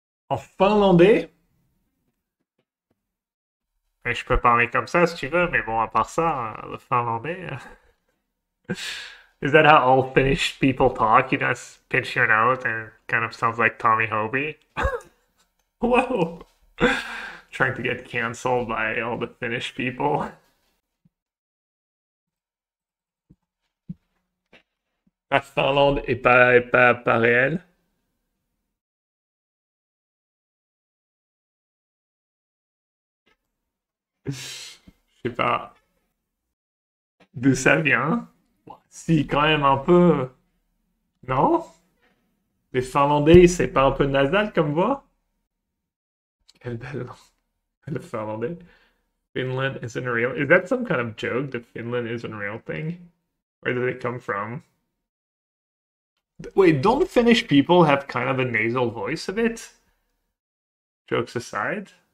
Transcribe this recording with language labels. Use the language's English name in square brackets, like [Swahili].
[French] En finlandais? Mais je peux parler comme ça si tu veux, mais bon, à part ça, le finlandais. [English] Is that how all Finnish people talk? You just pinch your nose and it kind of sounds like Tommy Hobie. Whoa! Trying to get cancelled by all the Finnish people. [French] La Finlande est pas réelle. Je sais pas. D'où ça vient? Si, quand même un peu. Non? Les Finlandais, c'est pas un peu nasal comme voix? Quel bel le Finlandais. [English] Finland isn't real. Is that some kind of joke, the Finland isn't real thing? Where did it come from? Wait, don't Finnish people have kind of a nasal voice a bit? Jokes aside.